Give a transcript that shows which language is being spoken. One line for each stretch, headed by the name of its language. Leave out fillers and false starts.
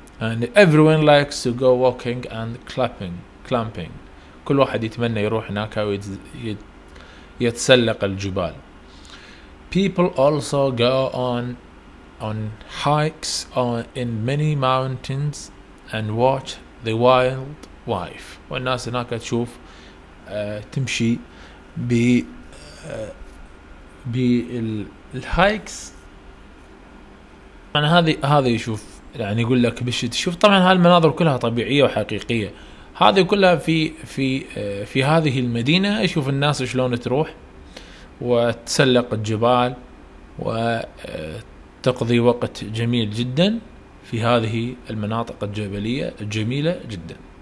English: And everyone likes to go walking and clamping.
Arabic: كل واحد يتمنى يروح هناك ويتسلق الجبال.
English: People also go on hikes in many mountains and watch the wild life.
Arabic: والناس هناك تشوف تمشي بالهايكس. يعني هذه يشوف يعني يقول لك بشت شوف، طبعا هالمناظر كلها طبيعية وحقيقية، هذه كلها في في في هذه المدينة يشوف الناس شلون تروح وتسلق الجبال وتقضي وقت جميل جدا في هذه المناطق الجبلية الجميلة جدا.